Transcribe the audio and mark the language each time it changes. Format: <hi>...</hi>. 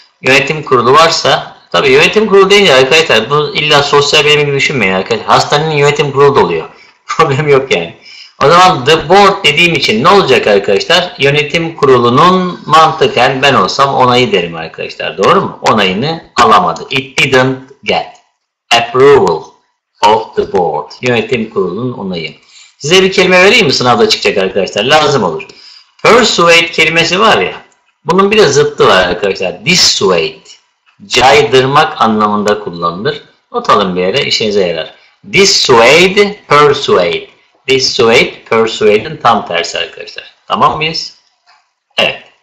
<tr>Yönetim kurulu varsa, tabii yönetim kurulu deyince arkadaşlar bu illa sosyal bilim gibi düşünmeyin arkadaşlar. Hastanenin yönetim kurulu da oluyor. Problem yok yani. O zaman</tr> <en>the board</en> <tr>dediğim için ne olacak arkadaşlar? Yönetim kurulunun mantıken yani ben olsam onayı derim arkadaşlar. Doğru mu? Onayını alamadı.</tr> <en>It didn't get approval of the board.</en> <tr>Yönetim kurulunun onayı. Size bir kelime vereyim mi? Sınavda çıkacak arkadaşlar. Lazım olur. Persuade kelimesi var ya. Bunun bir de zıttı var arkadaşlar. Dissuade. Caydırmak anlamında kullanılır. Not alın bir yere, işinize yarar. Dissuade, persuade. Dissuade, persuade'in tam tersi arkadaşlar. Tamam mıyız? Evet.</tr>